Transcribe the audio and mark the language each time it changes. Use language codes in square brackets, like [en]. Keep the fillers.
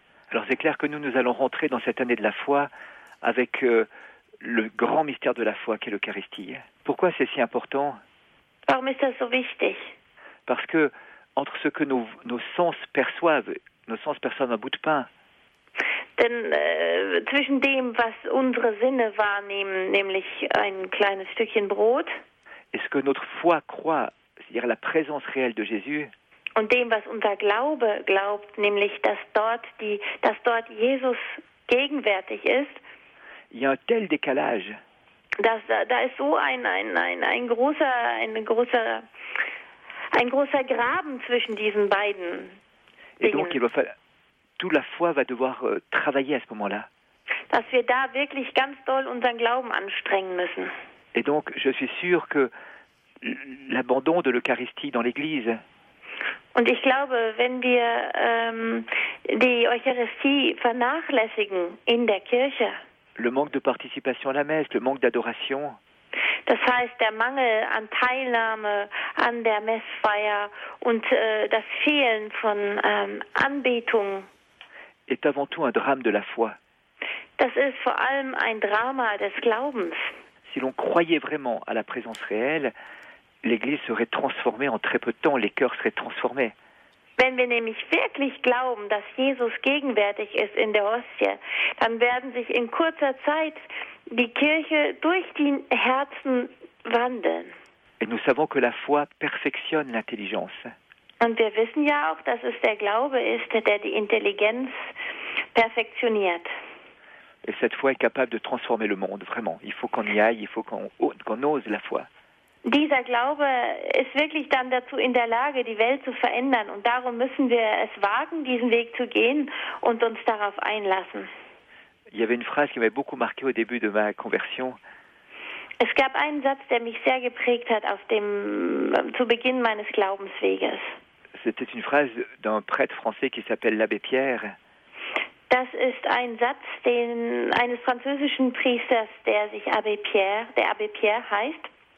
[fr] Alors c'est clair que nous, nous allons rentrer dans cette année de la foi avec euh, le grand mystère de la foi qu'est l'Eucharistie. Pourquoi c'est si important [de] Warum ist das so wichtig? [fr] Parce que entre ce que nos, nos sens perçoivent, nos sens perçoivent un bout de pain, [de] Denn äh, zwischen dem, was unsere Sinne wahrnehmen, nämlich ein kleines Stückchen Brot, [fr] et ce que notre foi croit, c'est-à-dire la présence réelle de Jésus, [de] und dem, was unser Glaube glaubt, nämlich dass dort, die, dass dort Jesus gegenwärtig ist, [fr] il y a un tel décalage [de] das, da, da ist so ein, ein, ein, ein großer, ein großer, ein großer Graben zwischen diesen beiden [fr] Et donc, [de] Dingen, [fr] il va falloir, toute la foi va devoir euh, travailler à ce moment-là. [de] dass wir da wirklich ganz doll unseren Glauben anstrengen müssen. [fr] Et donc, je suis sûr que l- l'abandon de l'Eucharistie dans l'Église, [de] Und ich glaube, wenn wir ähm, die Eucharistie vernachlässigen in der Kirche, [fr] le manque de participation à la messe, le manque d'adoration, [de] das heißt der Mangel an Teilnahme an der Messfeier und äh, das Fehlen von ähm, Anbetung, [fr] est avant tout un drame de la foi. [de] das ist vor allem ein Drama des Glaubens. [fr] Si l'on croyait vraiment à la présence réelle, l'Église serait transformée en très peu de temps, les cœurs seraient transformés. [de] Wenn wir nämlich wirklich glauben, dass Jesus gegenwärtig ist in der Hostie, dann werden sich in kurzer Zeit die Kirche durch die Herzen wandeln. [fr] Et nous savons que la foi perfectionne l'intelligence. [de] Und wir wissen ja auch, dass es der Glaube ist, der die Intelligenz perfektioniert. [fr] Et cette foi est capable de transformer le monde, vraiment. Il faut qu'on y aille, il faut qu'on qu'on ose la foi. [de] Dieser Glaube ist wirklich dann dazu in der Lage, die Welt zu verändern. Und darum müssen wir es wagen, diesen Weg zu gehen und uns darauf einlassen. [fr] Il y avait une phrase qui m'avait beaucoup marqué au début de ma conversion. [de] Es gab einen Satz, der mich sehr geprägt hat auf dem zu Beginn meines Glaubensweges. [fr] C'était une phrase d'un prêtre français qui s'appelle l'abbé Pierre. [de] Das ist ein Satz den, eines französischen Priesters, der sich Abbé Pierre, der Abbé Pierre heißt.